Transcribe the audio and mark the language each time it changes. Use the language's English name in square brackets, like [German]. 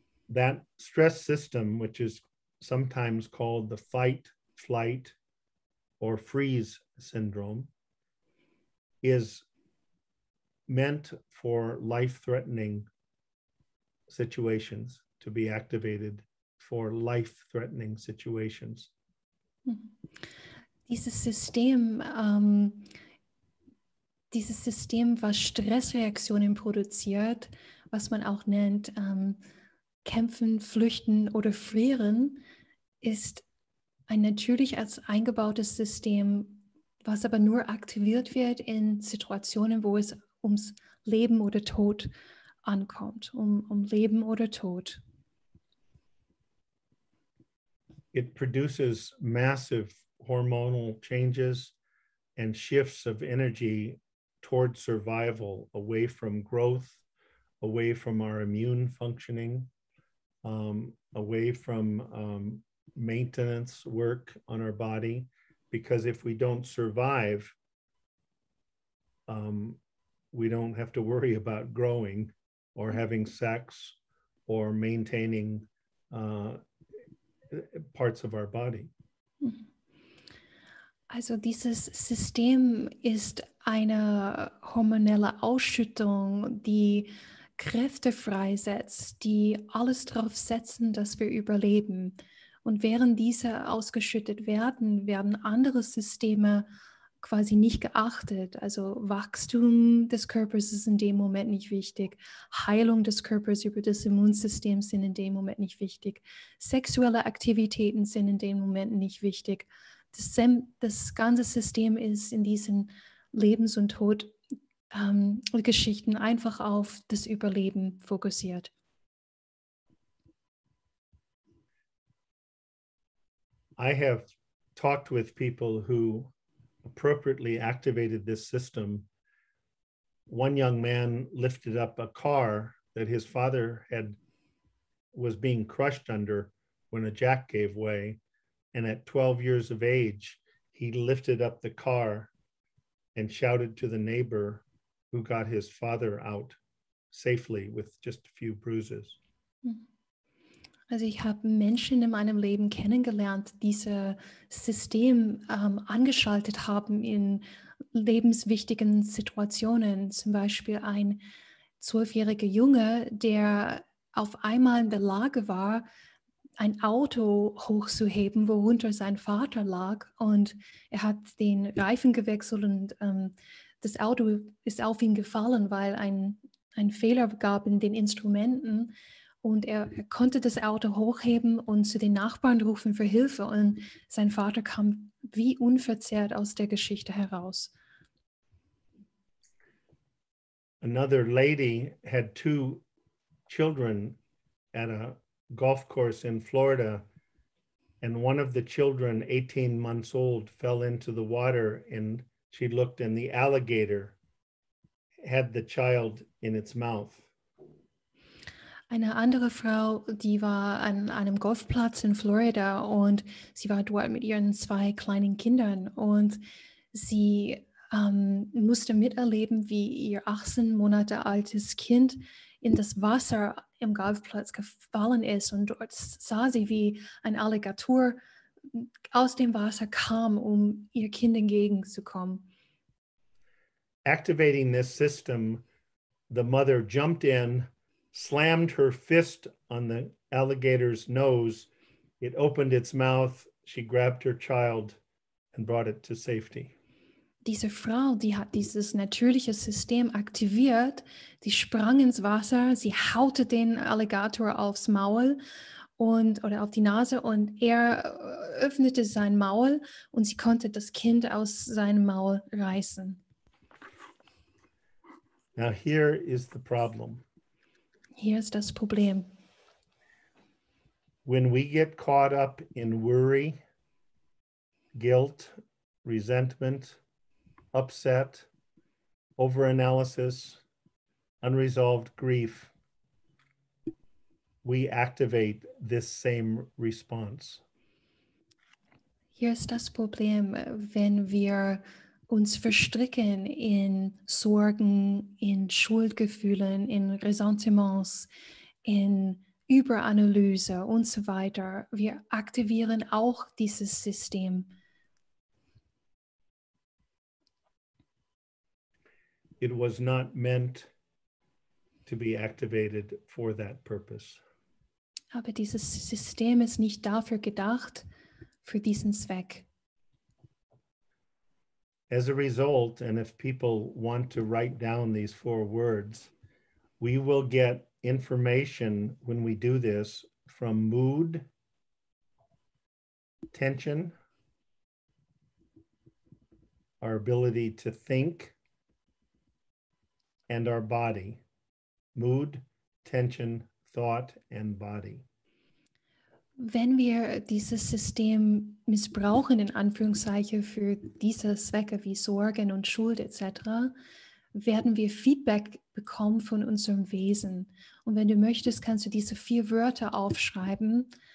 [English] That stress system, which is sometimes called the fight, flight, or freeze syndrome, is meant for life-threatening situations to be activated for life-threatening situations. [German] Dieses System, was Stressreaktionen produziert, was man auch nennt Kämpfen, Flüchten oder Frieren, ist ein natürlich als eingebautes System, was aber nur aktiviert wird in Situationen, wo es ums Leben oder Tod ankommt, um Leben oder Tod. [English] It produces massive hormonal changes and shifts of energy towards survival, away from growth, away from our immune functioning, away from maintenance work on our body. Because if we don't survive, we don't have to worry about growing or having sex or maintaining parts of our body. [German] Also dieses System ist eine hormonelle Ausschüttung, die Kräfte freisetzt, die alles darauf setzen, dass wir überleben. Und während diese ausgeschüttet werden, werden andere Systeme quasi nicht geachtet. Also Wachstum des Körpers ist in dem Moment nicht wichtig. Heilung des Körpers über das Immunsystem sind in dem Moment nicht wichtig. Sexuelle Aktivitäten sind in dem Moment nicht wichtig. Das ganze System ist in diesen Lebens- und Todgeschichten einfach auf das Überleben fokussiert. [English] I have talked with people who appropriately activated this system. One young man lifted up a car that his father was being crushed under when a jack gave way. And at 12 years of age, he lifted up the car and shouted to the neighbor who got his father out safely with just a few bruises. [German] Also ich habe Menschen in meinem Leben kennengelernt, die dieses System angeschaltet haben in lebenswichtigen Situationen. Zum Beispiel ein 12-jähriger Junge, der auf einmal in der Lage war, ein Auto hochzuheben, worunter sein Vater lag. Und er hat den Reifen gewechselt und das Auto ist auf ihn gefallen, weil ein Fehler gab in den Instrumenten. Und er konnte das Auto hochheben und zu den Nachbarn rufen für Hilfe. Und sein Vater kam wie unverzerrt aus der Geschichte heraus. [English] Another lady had two children at a golf course in Florida, and one of the children, 18 months old, fell into the water, and she looked, and the alligator had the child in its mouth. [German] Eine andere Frau, die war an einem Golfplatz in Florida, und sie war dort mit ihren zwei kleinen Kindern, und sie musste miterleben, wie ihr 18 Monate altes Kind in das Wasser im Golfplatz gefallen ist, und dort sah sie, wie ein Alligator aus dem Wasser kam, um ihr Kind entgegenzukommen. [English] Activating this system, the mother jumped in, slammed her fist on the alligator's nose, it opened its mouth, she grabbed her child and brought it to safety. [German] Diese Frau, die hat dieses natürliche System aktiviert, die sprang ins Wasser, sie haute den Alligator aufs Maul und oder auf die Nase, und er öffnete sein Maul und sie konnte das Kind aus seinem Maul reißen. [English] Now here is the problem. [German] Hier ist das Problem. [English] When we get caught up in worry, guilt, resentment, upset, overanalysis, unresolved grief, we activate this same response. [German] Hier ist das Problem, wenn wir uns verstricken in Sorgen, in Schuldgefühlen, in Ressentiments, in Überanalyse und so weiter. Wir aktivieren auch dieses System. [English] It was not meant to be activated for that purpose. [German] aber dieses System ist nicht dafür gedacht, für diesen Zweck. [English] As a result, and if people want to write down these four words, we will get information when we do this from mood, tension, our ability to think, and our body. Mood, tension, thought, and body. [German] Wenn wir dieses System missbrauchen, in Anführungszeichen, für diese Zwecke wie Sorgen und Schuld etc., werden wir Feedback bekommen von unserem Wesen. Und wenn du möchtest, kannst du diese vier Wörter aufschreiben.